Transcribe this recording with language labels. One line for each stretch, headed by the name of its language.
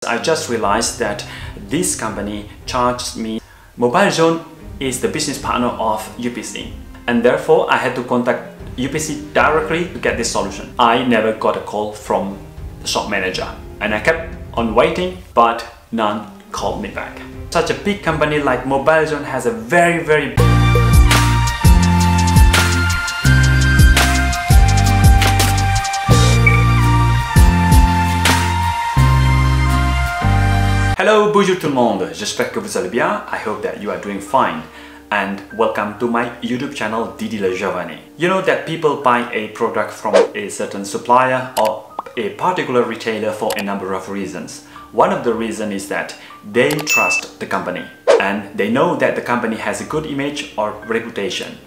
English: I just realized that this company charged me. Mobile Zone is the business partner of UPC, and therefore I had to contact UPC directly to get this solution. I never got a call from the shop manager, and I kept on waiting, but none called me back. Such a big company like Mobile Zone has a very Hello,
French: bonjour tout le monde, j'espère que vous allez bien.
English: I hope that you are doing fine. And welcome to my YouTube channel, Didi Le Javanais. You know that people buy a product from a certain supplier or a particular retailer for a number of reasons. One of the reasons is that they trust the company and they know that the company has a good image or reputation.